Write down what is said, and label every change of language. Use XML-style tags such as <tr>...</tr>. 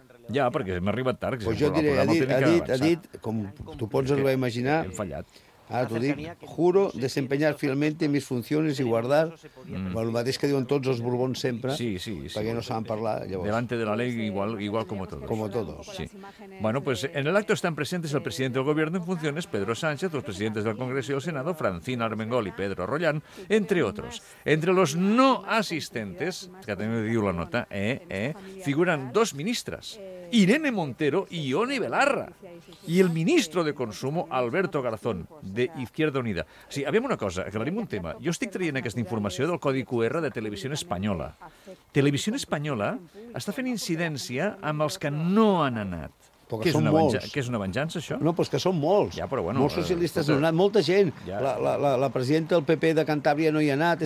<ca>Ja, perquè m'ha arribat tard. Pues jo diré, ha dit, com tu pots arribar a imaginar... Hem fallat. Ara t'ho dic,</ca> <es>juro desempeñar fielmente mis funciones y guardar</es> <ca>el mateix que diuen tots els Borbons sempre, sí. Perquè no saben parlar llavors.</ca> <es>Delante de la ley igual como todos. Como todos. Sí. Bueno, pues en el acto están presentes el presidente del gobierno en funciones, Pedro Sánchez, los presidentes del Congreso y el Senado, Francina Armengol y Pedro Rollán, entre otros. Entre los no asistentes, que también me dio la nota, figuran dos ministras. Irene Montero y Ione Belarra. Y el ministro de Consumo, Alberto Garzón, de Izquierda Unida.</es> <ca>Sí, aviam una cosa, aclarim un tema. Jo estic traient aquesta informació del Codi QR de Televisió Espanyola. Televisió Espanyola està fent incidència amb els que no han anat. Però que són molts. Que és una venjança, això? No, però que són molts. Ja, però bueno, molts socialistes no han anat, molta gent. Ja. La presidenta del PP de Cantàbria no hi ha anat.</ca>